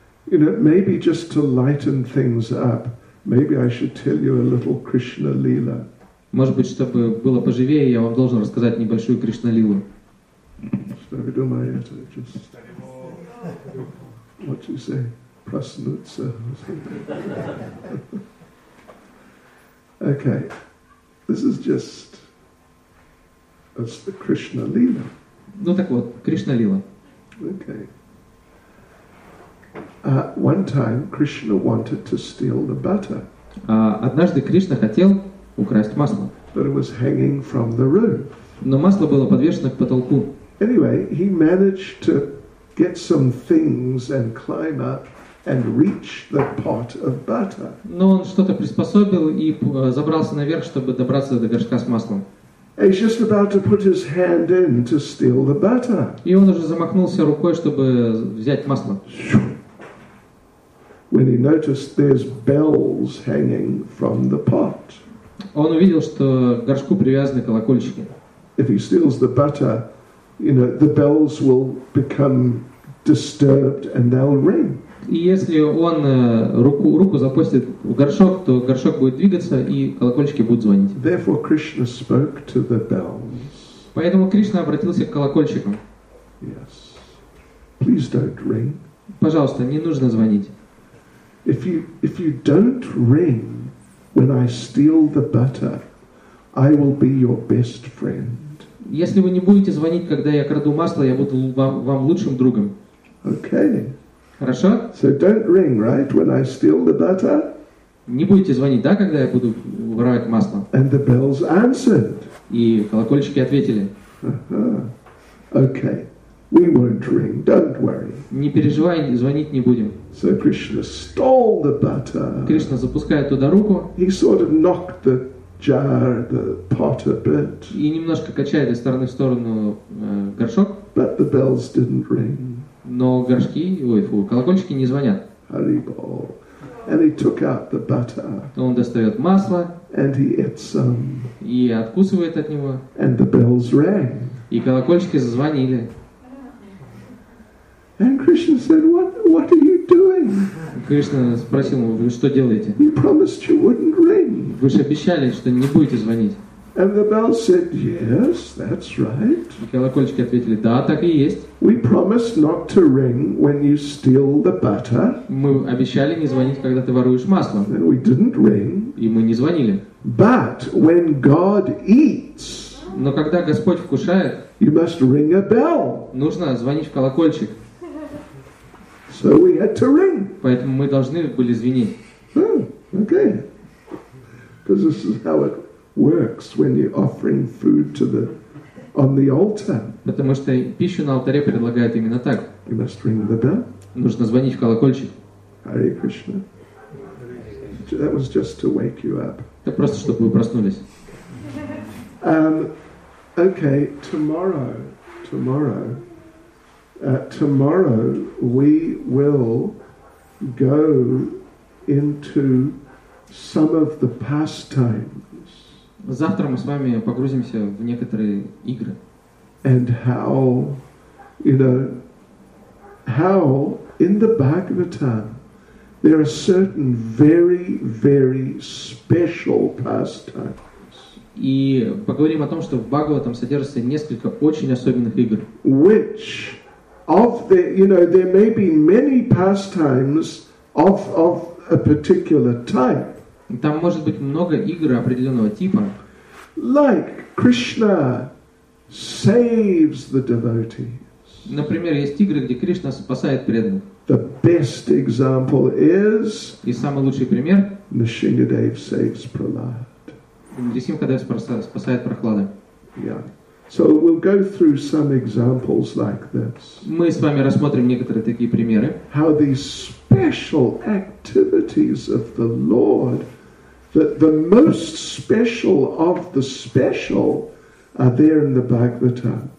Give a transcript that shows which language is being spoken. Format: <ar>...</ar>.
<en>You know, maybe just to lighten things up, maybe I should tell you a little Krishna Leela.</en> <ru>Может быть, чтобы было поживее, я вам должен рассказать небольшую Кришна Лилу. Что вы думаете?</ru> <en>What you say?</en> <ru>Проснуться.</ru> <en>Okay. This is just as the Krishna Leela.</en> <ru>Ну так вот, Кришна Лила.</ru> <en>Okay. One time Krishna wanted to steal the butter.</en> <ru>Однажды Кришна хотел украсть масло.</ru> <en>But it was hanging from the roof.</en> <ru>Но масло было подвешено к потолку.</ru> <en>Anyway, he managed to get some things and climb up and reach the pot of butter.</en> <ru>Но он что-то приспособил и забрался наверх, чтобы добраться до горшка с маслом.</ru> <en>He's just about to put his hand in to steal the butter.</en> <ru>И он уже замахнулся рукой, чтобы взять масло.</ru> <en>When he noticed there's bells hanging from the pot.</en> <ru>Он увидел, что к горшку привязаны колокольчики.</ru> <en>If he steals the butter, you know, the bells will become disturbed and they'll ring.</en> <ru>И если он руку запустит в горшок, то горшок будет двигаться и колокольчики будут звонить.</ru> <en>Therefore Krishna spoke to the bells.</en> <ru>Поэтому Кришна обратился к колокольчикам.</ru> <en>Yes. Please don't ring.</en> <ru>Пожалуйста, не нужно звонить.</ru> <en>If you don't ring when I steal the butter, I will be your best friend.</en> <ru>Если вы не будете звонить, когда я краду масло, я буду вам лучшим другом.</ru> <en>Okay.</en> <ru>Хорошо?</ru> <en>So don't ring, right, when I steal the butter?</en> <ru>Не будете звонить, да, когда я буду воровать масло?</ru> <en>And the bells answered.</en> <ru>И колокольчики ответили.</ru> <en>Okay. We won't ring. Don't worry.</en> <ru>Не переживай, звонить не будем.</ru> <en>So Krishna stole the butter.</en> <ru>Кришна запускает туда руку.</ru> <en>He sort of knocked the jar, the pot a bit.</en> <ru>И немножко качает из стороны в сторону горшок.</ru> <en>But the bells didn't ring.</en> <ru>Но горшки, колокольчики не звонят.</ru> <en>Haribol. And he took out the butter.</en> <ru>То он достает масло.</ru> <en>And he ate some.</en> <ru>И откусывает от него.</ru> <en>And the bells rang.</en> <ru>И колокольчики зазвонили.</ru> <en>And Krishna said, "What are you doing?"</en> <ru>Кришна спросил его, вы что делаете?</ru> <en>You promised you wouldn't ring.</en> <ru>Вы же обещали, что не будете звонить.</ru> <en>And the bell said, "Yes, that's right."</en> <ru>И колокольчики ответили, да, так и есть.</ru> <en>We promised not to ring when you steal the butter.</en> <ru>Мы обещали не звонить, когда ты воруешь масло.</ru> <en>And we didn't ring.</en> <ru>И мы не звонили.</ru> <en>But when God eats,</en> <ru>но когда Господь вкушает,</ru> <en>you must ring a bell.</en> <ru>Нужно звонить в колокольчик.</ru> <en>So we had to ring.</en> <ru>Поэтому мы должны были звенеть.</ru> <en>Oh, okay. Because this is how it works when you're offering food to the on the altar.</en> <ru>Потому что пищу на алтаре предлагают именно так.</ru> <en>You must ring the bell.</en> <ru>Нужно звонить в колокольчик.</ru> <en>Hare Krishna. That was just to wake you up.</en> <ru>Это просто чтобы вы проснулись.</ru> <en>Okay, tomorrow we will go into some of the pastimes.</en> <ru>Завтра мы с вами погрузимся в некоторые игры.</ru> <en>And how in the Bhagavatam there are certain very, very special pastimes.</en> <ru>И поговорим о том, что в Бхагаватам содержится несколько очень особенных игр.</ru> <en>Which of the, you know, there may be many pastimes of a particular type.</en> <ru>Там может быть много игр определенного типа.</ru> <en>Like Krishna saves the devotees.</en> <ru>Например, есть игры, где Кришна спасает преданных.</ru> <en>The best example is.</en> <ru>И самый лучший пример.</ru> <en>Нисингадев saves Prahlad.</en> <ru>Нисингадев спасает Прохлада.</ru> <en>Yeah. So we'll go through some examples like this.</en> <ru>Мы с вами рассмотрим некоторые такие примеры.</ru> <en>How these special activities of the Lord, the most special of the special, are there in the Bhagavata.</en>